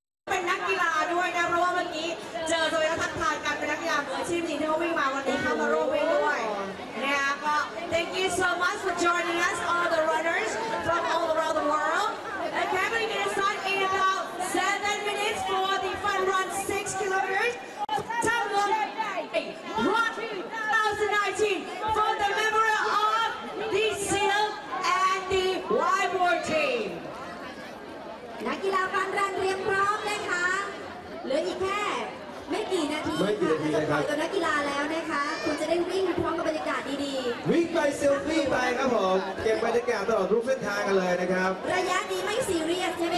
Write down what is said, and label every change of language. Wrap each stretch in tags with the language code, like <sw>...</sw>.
<th>เป็นนักกีฬาด้วยนะเพราะว่าเมื่อกี้เจอโดยทักทายกันเป็นนักกีฬาเหมือนชีพนี้ที่เขาวิ่งมาวันนี้เขามาร่วมวิ่งด้วยนะก็</th> <en>Thank you so much for joining us all the runners from all around the worldOkay, we're going to start in about 7 minutes for the fun run 6 kilometers. Tham Luang, 2019, for the memory of the SEAL and the Wild Boar team.</en> <th>นักกีฬาฟันรันเตรียมพร้อมนะคะเหลืออีกแค่ไม่กี่นาที ค่ะจะ ปล่อยตั วนักกีฬาแล้วนะคะคุณจะได้วิ่งพร้อมกับบรรยากาศดีๆ วิ่งไปเซลฟี่ไปครับผมเก็บบรรยากาศตลอดทุกเส้นทางกันเลยนะครับ ระยะนี้ไม่ซีเรียสใช่ไหม</th>